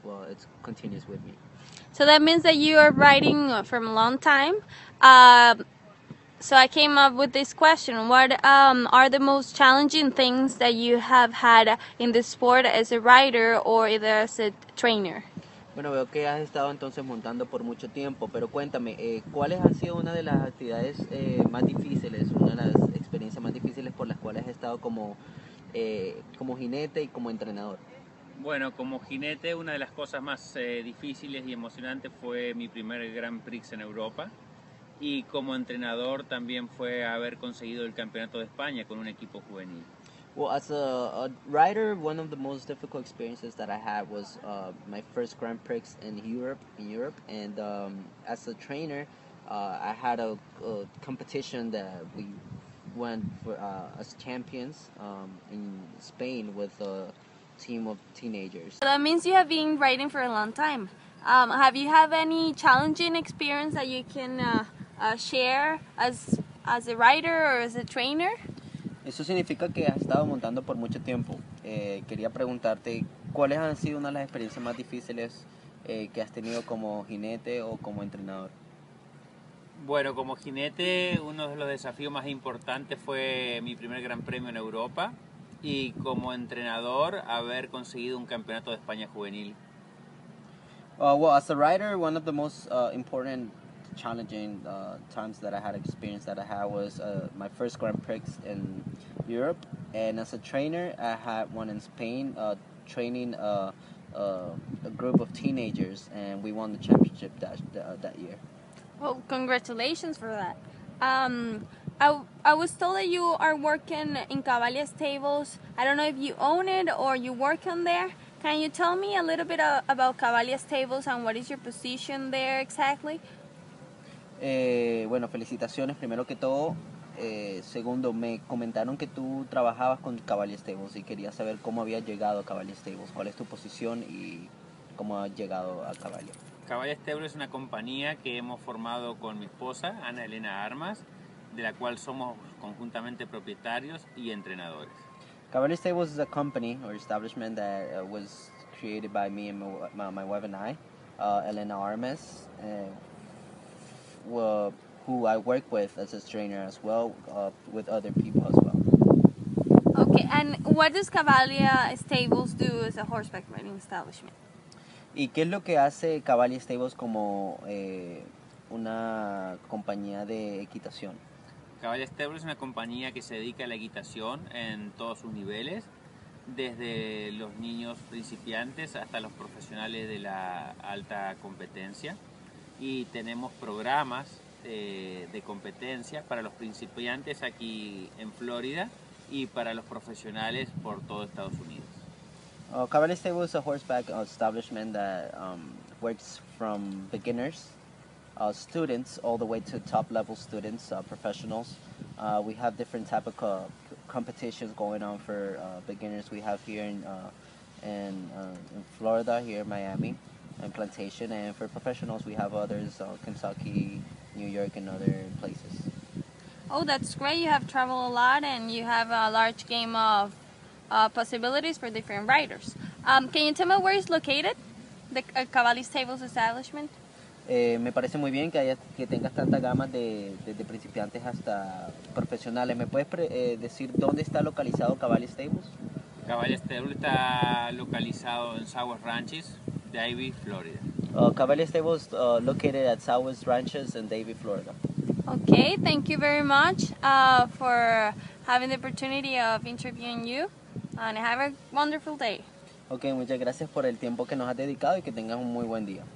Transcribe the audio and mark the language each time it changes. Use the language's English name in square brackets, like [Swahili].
[English] Well, it continues with me. So that means that you are riding from a long time. So I came up with this question. What are the most challenging things that you have had in this sport as a rider or either as a trainer? [Spanish] Bueno, veo que has estado entonces montando por mucho tiempo, pero cuéntame, ¿cuáles han sido una de las actividades más difíciles, una de las experiencias más difíciles por las cuales has estado como como jinete y como entrenador? Bueno, como jinete, una de las cosas más difíciles y emocionantes fue mi primer Grand Prix en Europa. Y como entrenador también fue haber conseguido el Campeonato de España con un equipo juvenil. [English] Well, as a rider, one of the most difficult experiences that I had was my first Grand Prix in Europe. And as a trainer, I had a competition that we went for, as champions in Spain with a team of teenagers. So that means you have been riding for a long time. Have you had any challenging experience that you can share as a rider or as a trainer? [Spanish] Eso significa que has estado montando por mucho tiempo. Quería preguntarte, ¿cuáles han sido una de las experiencias más difíciles que has tenido como jinete o como entrenador? Bueno, como jinete, uno de los desafíos más importantes fue mi primer Gran Premio en Europa y como entrenador, haber conseguido un Campeonato de España juvenil. [English] Well, as a rider, one of the most important challenging times that I had experienced that I had was my first Grand Prix in Europe, and as a trainer I had one in Spain training a group of teenagers, and we won the championship that year. Well, congratulations for that. I was told that you are working in Cavalia Stables. I don't know if you own it or you work on there. Can you tell me a little bit about Cavalia Stables and what is your position there exactly? [Spanish] Bueno, felicitaciones primero que todo. Segundo, me comentaron que tú trabajabas con Cavalia Stables y quería saber cómo había llegado a Cavalia Stables, cuál es tu posición y cómo ha llegado a Cavalia. Cavalia Stables es una compañía que hemos formado con mi esposa, Ana Elena Armas, de la cual somos conjuntamente propietarios y entrenadores. [English] Cavalia Stables is a company or establishment that was created by me and my wife and I, Elena Armas, who I work with as a trainer as well, with other people as well. Okay, and what does Cavalia Stables do as a horseback riding establishment? [Spanish] ¿Y qué es lo que hace Cavalia Stables como una compañía de equitación? Cavalia Stables es una compañía que se dedica a la equitación en todos sus niveles, desde los niños principiantes hasta los profesionales de la alta competencia. Y tenemos programas de competencia para los principiantes aquí en Florida y para los profesionales por todo Estados Unidos. [English] Cabaret Stable is a horseback establishment that works from beginners, students, all the way to top level students, professionals. We have different type of competitions going on for beginners. We have here in Florida, here in Miami, and Plantation, and for professionals, we have others, Kentucky, New York, and other places. Oh, that's great. You have traveled a lot, and you have a large game of possibilities for different riders. Can you tell me where it's located, the Cavalli Stables establishment? [Spanish] Me parece muy bien que, que tengas tanta gama de principiantes hasta profesionales. ¿Me puedes decir dónde está localizado Cavalli Stables? Cavalli Stables está localizado en Sawas Ranches, Davie, Florida. [English] Cavalli Stables located at Sawas Ranches in Davie, Florida. Okay, thank you very much for having the opportunity of interviewing you. And have a wonderful day. [Spanish] Okay, muchas gracias por el tiempo que nos has dedicado y que tengas un muy buen día.